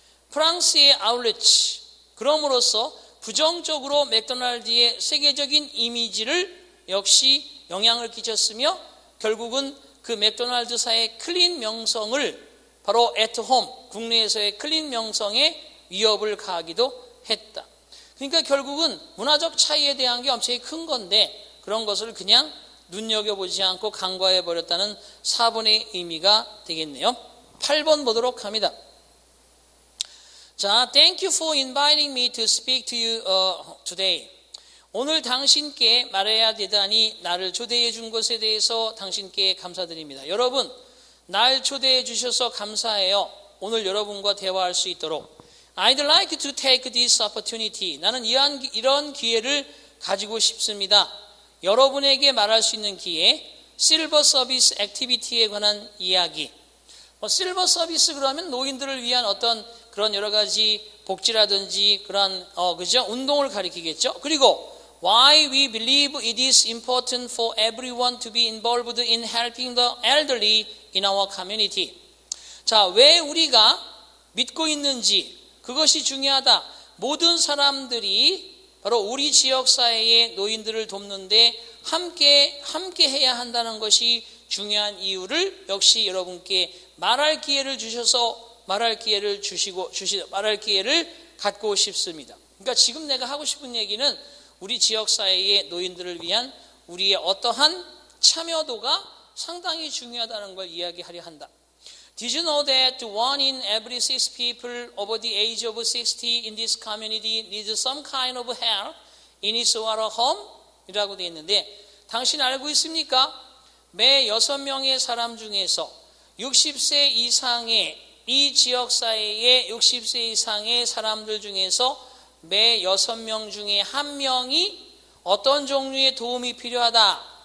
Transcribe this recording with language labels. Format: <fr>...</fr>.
<ko>프랑스의 아울렛, 그럼으로써 부정적으로 맥도날드의 세계적인 이미지를 역시 영향을 끼쳤으며 결국은 그 맥도날드사의 클린 명성을, 바로 at home, 국내에서의 클린 명성에 위협을 가하기도 했다. 그러니까 결국은 문화적 차이에 대한 게 엄청 큰 건데 그런 것을 그냥 눈여겨보지 않고 간과해버렸다는 4번의 의미가 되겠네요. 8번 보도록 합니다.</ko> <en>자, Thank you for inviting me to speak to you today.</en> <ko>오늘 당신께 말해야 되다니 나를 초대해 준 것에 대해서 당신께 감사드립니다. 여러분, 날 초대해 주셔서 감사해요. 오늘 여러분과 대화할 수 있도록.</ko> <en>I'd like to take this opportunity.</en> <ko>나는 이런 기회를 가지고 싶습니다. 여러분에게 말할 수 있는 기회, 실버 서비스 액티비티에 관한 이야기. 실버 서비스 그러면 노인들을 위한 어떤 그런 여러 가지 복지라든지 그런 그죠? 운동을 가리키겠죠.</ko> <en>그리고 why we believe it is important for everyone to be involved in helping the elderly in our community.</en> <ko>자, 왜 우리가 믿고 있는지 그것이 중요하다. 모든 사람들이 바로 우리 지역 사회의 노인들을 돕는데 함께 해야 한다는 것이 중요한 이유를 역시 여러분께 말할 기회를 주셔서 말할 기회를 갖고 싶습니다. 그러니까 지금 내가 하고 싶은 얘기는 우리 지역 사회의 노인들을 위한 우리의 어떠한 참여도가 상당히 중요하다는 걸 이야기하려 한다.</ko> <en>Did you know that one in every six people over the age of 60 in this community needs some kind of help in his or her home?</en> <ko>이라고 되어 있는데, 당신 알고 있습니까? 매 6명의 사람 중에서 60세 이상의 이 지역사회의 60세 이상의 사람들 중에서 매 6명 중에 한 명이 어떤 종류의 도움이 필요하다.</ko>